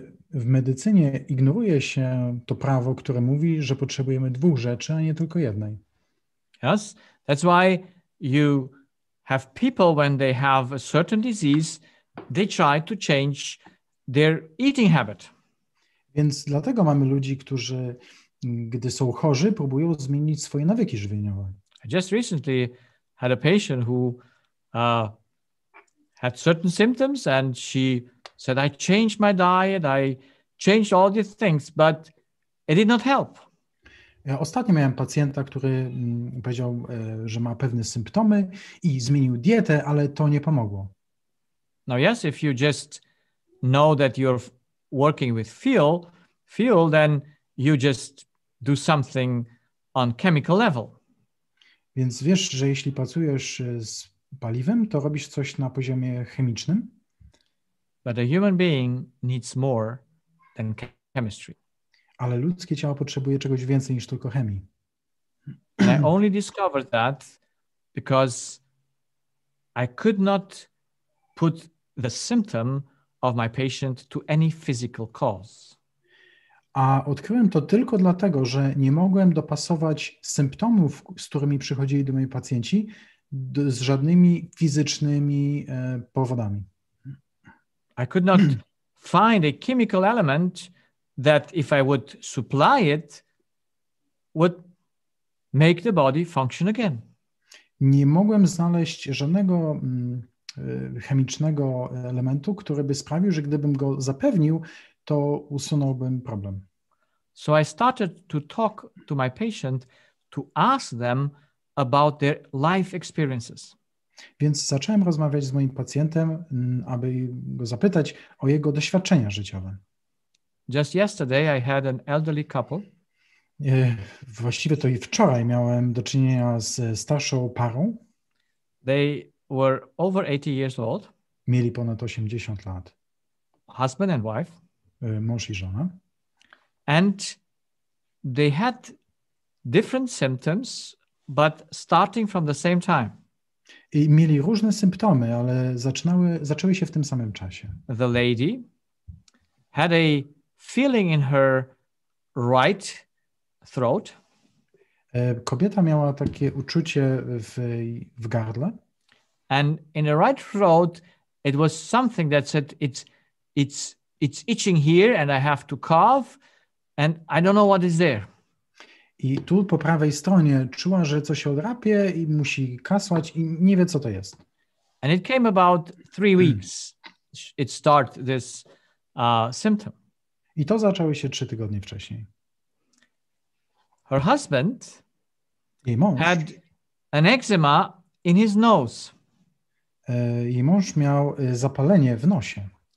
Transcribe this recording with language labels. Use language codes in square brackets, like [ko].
[pl] W medycynie ignoruje się to prawo, które mówi, że potrzebujemy dwóch rzeczy, a nie tylko jednej. [en] Yes, that's why you have people when they have a certain disease, they try to change their eating habit. [pl] Więc dlatego mamy ludzi, którzy, gdy są chorzy, próbują zmienić swoje nawyki żywieniowe. [en] I just recently had a patient who had certain symptoms and she said, I changed my diet, I changed all these things, but it did not help. [pl] Ja ostatnio miałem pacjenta, który powiedział, że ma pewne symptomy i zmienił dietę, ale to nie pomogło. [en] Now yes, if you just know that you're working with fuel, then you just do something on chemical level. [pl] Więc wiesz, że jeśli pracujesz z paliwem, to robisz coś na poziomie chemicznym. [en] But a human being needs more than chemistry. [pl] Ale ludzkie ciało potrzebuje czegoś więcej niż tylko chemii. [en] And I only discovered that because I could not put the symptom of my patient to any physical cause. [pl] A odkryłem to tylko dlatego, że nie mogłem dopasować symptomów, z którymi przychodzili do mojej pacjenci, z żadnymi fizycznymi powodami. [en] I could not find a chemical element that if I would supply it, would make the body function again. [pl] Nie mogłem znaleźć żadnego chemicznego elementu, który by sprawił, że gdybym go zapewnił, to usunąłbym problem. [en] So I started to talk to my patient to ask them about their life experiences. [pl] Więc zacząłem rozmawiać z moim pacjentem, aby go zapytać o jego doświadczenia życiowe. [en] Just yesterday I had an elderly couple. [pl] Właściwie to i wczoraj miałem do czynienia z starszą parą. [en] They were over 80 years old. [pl] Mieli ponad 80 lat. [en] Husband and wife. [pl] Mąż i żona. [en] And they had different symptoms, but starting from the same time. [pl] I mieli różne symptomy, ale zaczęły się w tym samym czasie. [en] The lady had a feeling in her right throat. [pl] Kobieta miała takie uczucie w gardle. [en] And in the right throat, it was something that said it's itching here and I have to cough and I don't know what is there. [pl] I tu po prawej stronie czuła, że coś się odrapie i musi kasłać i nie wie, co to jest. [en] And it came about 3 weeks. It started this symptom. [pl] I to zaczęło się 3 tygodnie wcześniej. [en] Her husband [pl] jej mąż [en] had an eczema in his nose. [pl] Jej mąż miał zapalenie w nosie.